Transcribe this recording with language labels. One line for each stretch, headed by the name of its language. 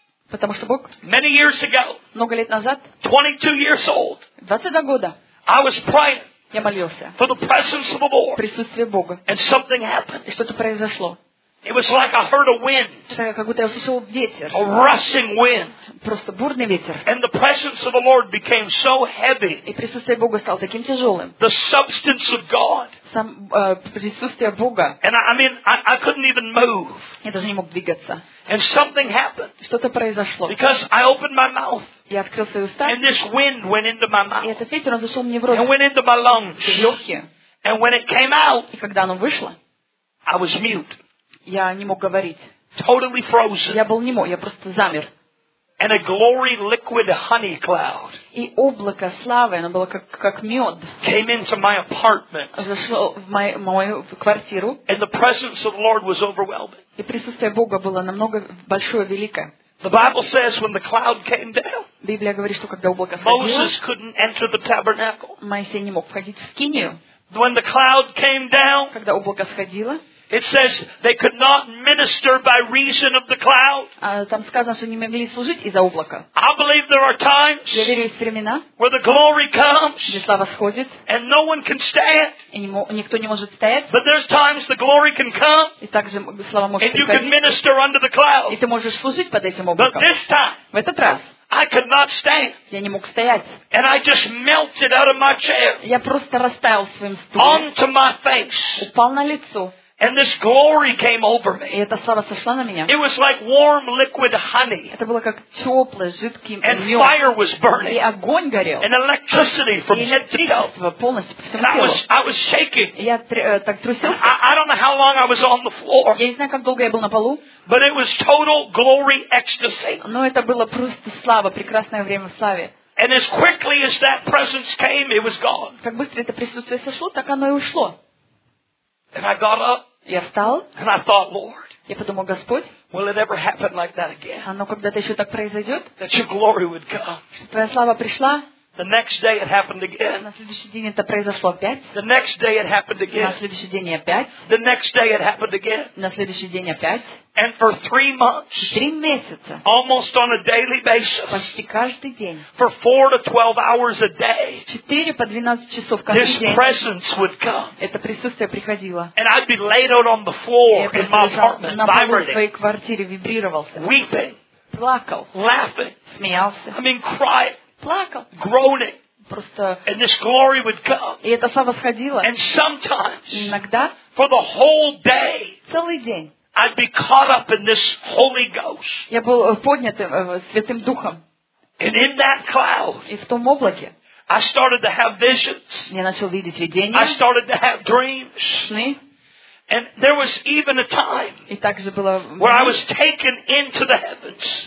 Russian: Потому что Бог.
English: Many years ago.
Russian: Много лет назад.
English: 22 years old.
Russian: 22 года.
English: I was praying.
Russian: Я молился.
English: For the presence of the Lord.
Russian: Присутствие Бога.
English: And something happened.
Russian: И что-то произошло.
English: It was like I heard a wind.
Russian: Как будто я услышал ветер.
English: A rushing wind.
Russian: Просто бурный ветер.
English: And the presence of the Lord became so heavy.
Russian: И присутствие Бога стало таким тяжелым.
English: The substance of God.
Russian: Сам присутствие Бога.
English: And I couldn't even move.
Russian: Я даже не мог двигаться.
English: And something happened.
Russian: Что-то произошло.
English: Because I opened my mouth.
Russian: Я открыл свои уста.
English: And this wind went into my mouth.
Russian: И этот ветер зашел мне в рот.
English: And went into my lungs.
Russian: И в легкие.
English: And when it came out.
Russian: И когда оно вышло.
English: I was mute.
Russian: Я не мог говорить.
English: Totally frozen.
Russian: Я был немой, я просто замер.
English: And a glory liquid honey cloud.
Russian: И облако славы, оно было как мед.
English: Came into my apartment.
Russian: Зашло в мою квартиру.
English: And the presence of the Lord was overwhelming.
Russian: И присутствие Бога было намного большое, великое.
English: The Bible says when the cloud came down.
Russian: Библия говорит, что когда облако сходило.
English: Moses couldn't enter the tabernacle.
Russian: Моисей не мог входить в скинию.
English: When the cloud came down.
Russian: Когда облако сходило.
English: It says they could not minister by reason of the cloud.
Russian: Там сказано, что не могли служить из-за облака.
English: I believe there are times.
Russian: Я верю, есть времена.
English: Where the glory comes.
Russian: Где слава сходит.
English: And no one can stand.
Russian: И никто не может стоять.
English: But there's times the glory can come.
Russian: И также слава может приходить.
English: And you can minister under the cloud.
Russian: И ты можешь служить под этим облаком.
English: But this time.
Russian: В этот раз.
English: I could not stand.
Russian: Я не мог стоять.
English: And I just melted out of my chair.
Russian: Я просто растаял в своем стуле.
English: Onto my face.
Russian: Упал на лицо.
English: And this glory came over me.
Russian: И эта слава сошла на меня.
English: It was like warm liquid honey.
Russian: Это было как теплое, жидкое мёд.
English: And fire was burning.
Russian: И огонь горел.
English: And electricity from head to toe.
Russian: И электричество полностью по всему телу.
English: I was shaking.
Russian: Я так трусился.
English: I don't know how long I was on the floor.
Russian: Я не знаю, как долго я был на полу.
English: But it was total glory ecstasy.
Russian: Но это было просто слава, прекрасное время в славе.
English: And as quickly as that presence came, it was gone.
Russian: Как быстро это присутствие сошло, так оно и ушло.
English: And I got up.
Russian: Я встал.
English: And I thought, Lord.
Russian: Я подумал, Господь.
English: Will it ever happen like that again?
Russian: Оно когда-то еще так произойдет?
English: That your glory would come.
Russian: Что твоя слава пришла?
English: The next day it happened again.
Russian: На следующий день это произошло опять.
English: The next day it happened again.
Russian: На следующий день опять.
English: The next day it happened again.
Russian: На следующий день опять.
English: And for 3 months.
Russian: 3 месяца.
English: Almost on a daily basis.
Russian: Почти каждый день.
English: For 4 to 12 hours a day.
Russian: 4 по 12 часов каждый день.
English: This presence would come.
Russian: Это присутствие приходило.
English: And I'd be laid out on the floor in my apartment, vibrating.
Russian: На полу в своей квартире вибрировался.
English: Weeping.
Russian: Плакал.
English: Laughing.
Russian: Смеялся.
English: I mean, crying.
Russian: Плакал.
English: Groaning.
Russian: Просто.
English: And this glory would come.
Russian: И эта слава сходила.
English: And sometimes.
Russian: Иногда.
English: For the whole day.
Russian: Целый день.
English: I'd be caught up in this Holy Ghost.
Russian: Я был поднят Святым Духом.
English: And in that cloud.
Russian: И в том облаке.
English: I started to have visions.
Russian: Я начал видеть видения.
English: I started to have dreams.
Russian: Сны.
English: And there was even a time.
Russian: И также было.
English: Where I was taken into the heavens.